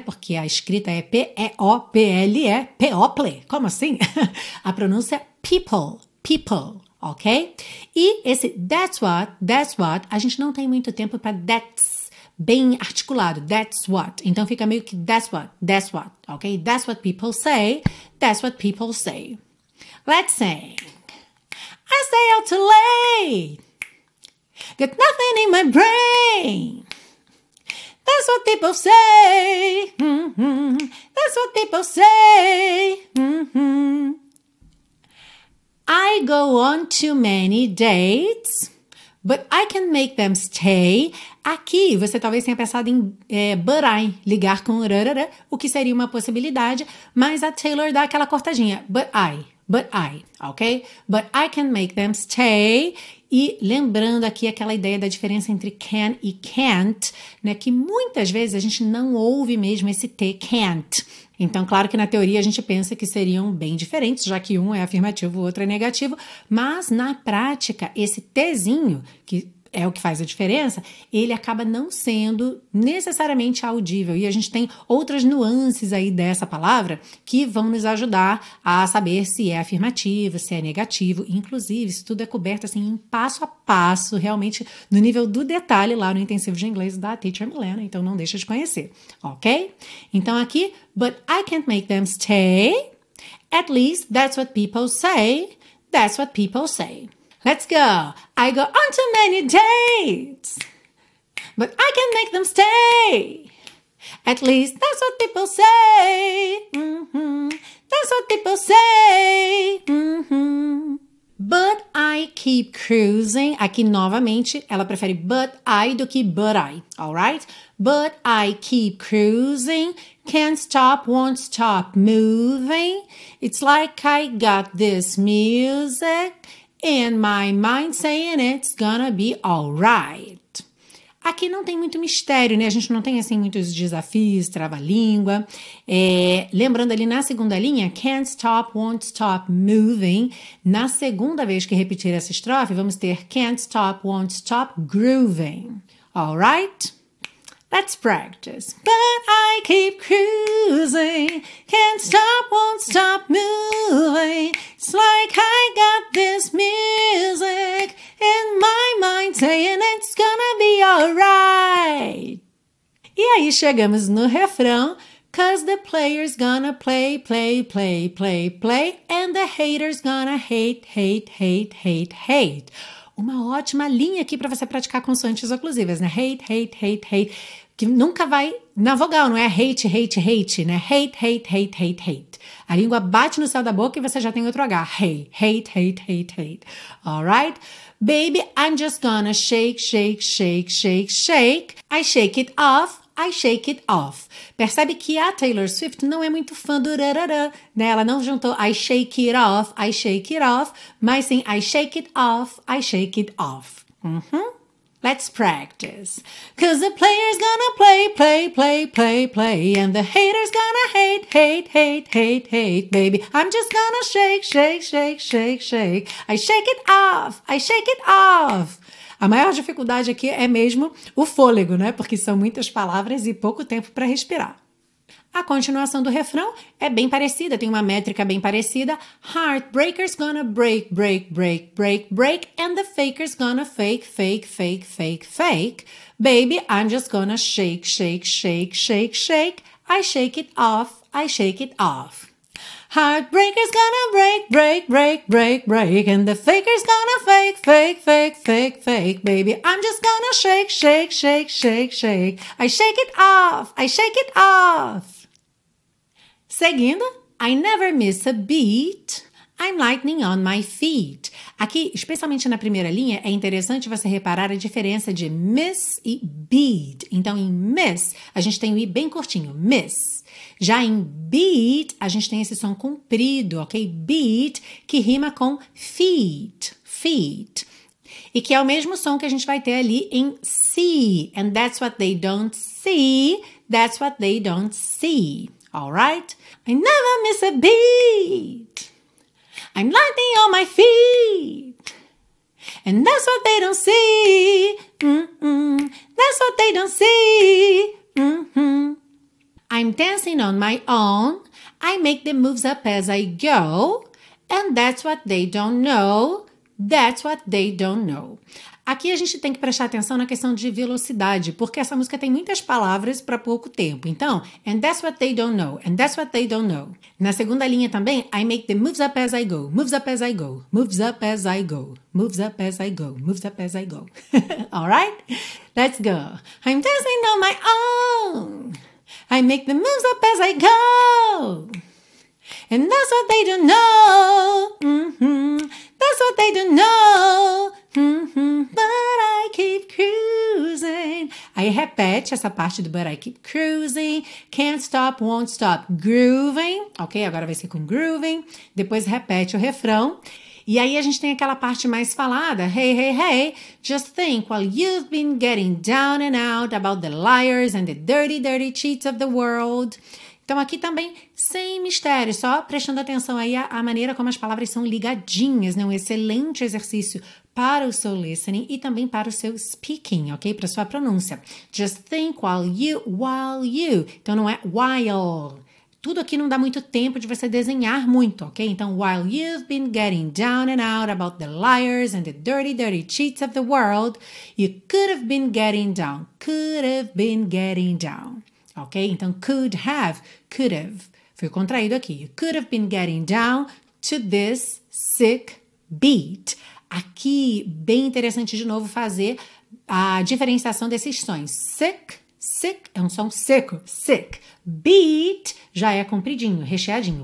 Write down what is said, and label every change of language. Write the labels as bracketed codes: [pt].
[pt] Porque a escrita é P-E-O-P-L-E, P-O-P-L-E, como assim? A pronúncia é people, people. Ok? E esse [en] that's what, [pt] a gente não tem muito tempo para [en] that's bem articulado, that's what. [pt] Então fica meio que [en] that's what, [pt] ok? [en] That's what people say, that's what people say. Let's sing. I stay out too late. Got nothing in my brain. That's what people say. Mm-hmm. That's what people say. Mm-hmm. I go on too many dates, but I can make them stay. [pt] Aqui, você talvez tenha pensado em [en] but I, [pt] ligar com rarara, o que seria uma possibilidade, mas a Taylor dá aquela cortadinha, but I, ok? [en] But I can make them stay. [pt] E lembrando aqui aquela ideia da diferença entre can e can't, né? Que muitas vezes a gente não ouve mesmo esse T, can't. Então, claro que na teoria a gente pensa que seriam bem diferentes, já que um é afirmativo, o outro é negativo, mas na prática, esse Tzinho, que é o que faz a diferença, ele acaba não sendo necessariamente audível. E a gente tem outras nuances aí dessa palavra que vão nos ajudar a saber se é afirmativo, se é negativo. Inclusive, isso tudo é coberto assim em passo a passo, realmente no nível do detalhe lá no intensivo de inglês da Teacher Milena. Então, não deixa de conhecer, ok? Então, aqui, [en] but I can't make them stay. At least, that's what people say. That's what people say. Let's go. I go on too many dates, but I can make them stay. At least that's what people say. Mm-hmm. That's what people say. Mm-hmm. But I keep cruising. [pt] Aqui, novamente, ela prefere [en] but I [pt] do que [en] but I, alright? But I keep cruising. Can't stop, won't stop moving. It's like I got this music in my mind saying it's gonna be alright. [pt] Aqui não tem muito mistério, né? A gente não tem, assim, muitos desafios, trava-língua. É, lembrando ali na segunda linha, [en] can't stop, won't stop moving. [pt] Na segunda vez que repetir essa estrofe, vamos ter [en] can't stop, won't stop grooving. All right? Let's practice. But I keep cruising. Can't stop, won't stop moving. It's like I got this music in my mind saying it's gonna be alright. [pt] E aí chegamos no refrão. [en] 'Cause the player's gonna play, play, play, play, play. And the hater's gonna hate, hate, hate, hate, hate. [pt] Uma ótima linha aqui para você praticar consoantes oclusivas, né? [en] Hate, hate, hate, hate. [pt] Que nunca vai na vogal, não é [en] hate, hate, hate, [pt] né? [en] Hate, hate, hate, hate, hate. [pt] A língua bate no céu da boca e você já tem outro H. [en] Hey, hate, hate, hate, hate. All right? Baby, I'm just gonna shake, shake, shake, shake, shake. I shake it off, I shake it off. [pt] Percebe que a Taylor Swift não é muito fã do rarará, né? Ela não juntou [en] I shake it off, I shake it off. [pt] Mas sim, [en] I shake it off, I shake it off. Uhum. Let's practice. 'Cause the player's gonna play, play, play, play, play. And the hater's gonna hate, hate, hate, hate, hate, baby. I'm just gonna shake, shake, shake, shake, shake. I shake it off, I shake it off. [pt] A maior dificuldade aqui é mesmo o fôlego, né? Porque são muitas palavras e pouco tempo para respirar. A continuação do refrão é bem parecida, tem uma métrica bem parecida. [en] Heartbreaker's gonna break, break, break, break, break. And the faker's gonna fake, fake, fake, fake, fake. Baby, I'm just gonna shake, shake, shake, shake, shake. I shake it off, I shake it off. Heartbreaker's gonna break, break, break, break, break. And the faker's gonna fake, fake, fake, fake, fake. Baby, I'm just gonna shake, shake, shake, shake, shake. I shake it off, I shake it off. [pt] Seguindo, [en] I never miss a beat, I'm lightning on my feet. [pt] Aqui, especialmente na primeira linha, é interessante você reparar a diferença de miss e beat. Então, em miss, a gente tem o I bem curtinho, miss. Já em beat, a gente tem esse som comprido, ok? Beat, que rima com feet, feet. E que é o mesmo som que a gente vai ter ali em see. [en] And that's what they don't see, that's what they don't see. All right? I never miss a beat. I'm lightning on my feet. And that's what they don't see. Mm-mm. That's what they don't see. Mm-hmm. I'm dancing on my own. I make the moves up as I go. And that's what they don't know. That's what they don't know. [pt] Aqui a gente tem que prestar atenção na questão de velocidade, porque essa música tem muitas palavras para pouco tempo. Então, [en] and that's what they don't know, and that's what they don't know. Na segunda linha também, I make the moves up as I go, moves up as I go, moves up as I go, moves up as I go, moves up as I go. All right? Let's go. I'm dancing on my own. I make the moves up as I go. And that's what they don't know. Mm-hmm. That's what they don't know. Mm-hmm, but I keep cruising. [pt] Aí repete essa parte do [en] but I keep cruising. Can't stop, won't stop grooving. [pt] Ok, agora vai ser com grooving. Depois repete o refrão. E aí a gente tem aquela parte mais falada. [en] Hey, hey, hey. Just think while you've been getting down and out about the liars and the dirty, dirty cheats of the world. [pt] Então aqui também sem mistério, só prestando atenção aí à maneira como as palavras são ligadinhas, né? Um excelente exercício para o seu listening e também para o seu speaking, ok? Para a sua pronúncia. [en] Just think while you, [pt] então não é [en] while. [pt] Tudo aqui não dá muito tempo de você desenhar muito, ok? Então, [en] while you've been getting down and out about the liars and the dirty, dirty cheats of the world, you could have been getting down, could have been getting down. Ok? [pt] Então, [en] could have, could have. [pt] Foi contraído aqui. [en] You could have been getting down to this sick beat. [pt] Aqui, bem interessante de novo fazer a diferenciação desses sons. Sick, sick, é um som seco, sick. Beat, já é compridinho, recheadinho.